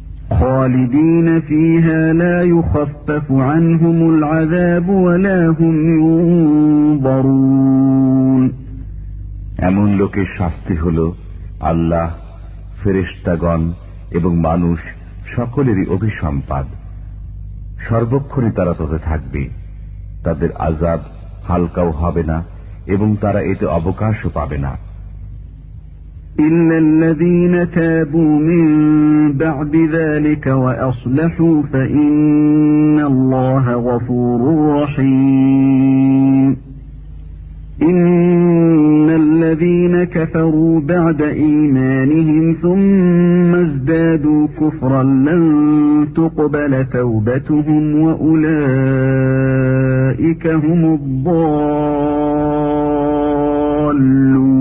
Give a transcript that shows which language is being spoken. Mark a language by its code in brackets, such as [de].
[ar] خالدين فيها لا يخفف عنهم العذاب ولا هم ينظرون [bn] এমন লোকের শাস্তি হলো আল্লাহ, ফেরেশতাগণ এবং মানুষ সকলেরই অভিসম্পাদ। সর্বক্ষণই তারা তাতে থাকবে, তাদের আজাব হালকাও হবে না এবং তারা এতে অবকাশও পাবে না। [ar] إلا الذين تابوا من بعد ذلك وأصلحوا فإن الله غفور رحيم إن الذين كفروا بعد إيمانهم ثم ازدادوا كفرا لن تقبل توبتهم وأولئك هم الضالون